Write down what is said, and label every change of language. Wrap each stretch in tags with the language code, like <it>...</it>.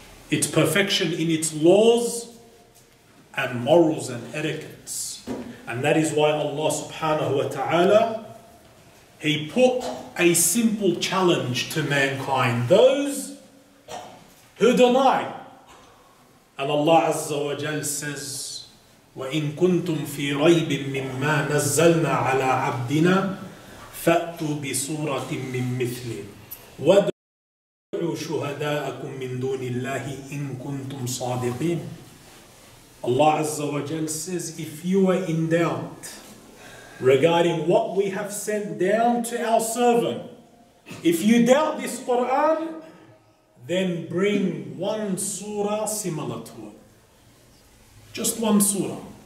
<en>Its perfection in its laws and morals and etiquettes. And that is why Allah subhanahu wa ta'ala, He put a simple challenge to mankind. Those who deny. And Allah Azza wa Jal says,</en> <ar>وَإِن كُنْتُمْ فِي رَيْبٍ مِّمَّا نَزَّلْنَا عَلَىٰ عَبْدِنَا فَأْتُوا بِصُورَةٍ مِّن مِثْلِهِ وَادْعُوا شُهَدَاءَكُمْ مِن دُونِ اللَّهِ إِن كُنْتُمْ صَادِقِينَ.</ar> <en>Allah Azza wa Jal says, if you are in doubt regarding what we have sent down to our servant, if you doubt this Quran, then bring one surah similar to it. Just one surah.</en>